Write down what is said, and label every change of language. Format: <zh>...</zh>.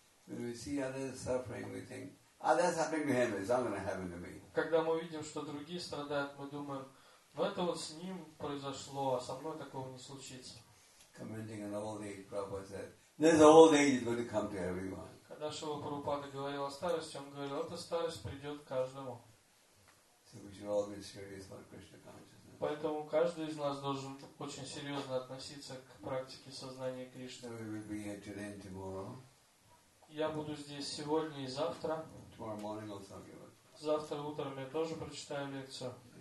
<ru>Когда мы видим, что другие страдают, мы думаем: ну это вот с ним произошло, а со мной такого не случится.</ru> <en>Commenting on old age, Prabhupada said, "This old age is going to come to everyone."</en> <ru>Когда Шрила Прабхупада говорил о старости, он говорил: эта старость придет каждому.</ru> <en>So we should all be serious about Krishna consciousness.</en> <ru>Поэтому каждый из нас должен очень серьезно относиться к практике сознания Кришны.</ru> <en>We will be here today and tomorrow.</en> <ru>Я буду здесь сегодня и завтра.</ru> <en>Tomorrow morning also.</en> <ru>Завтра утром я тоже прочитаю лекцию.</ru>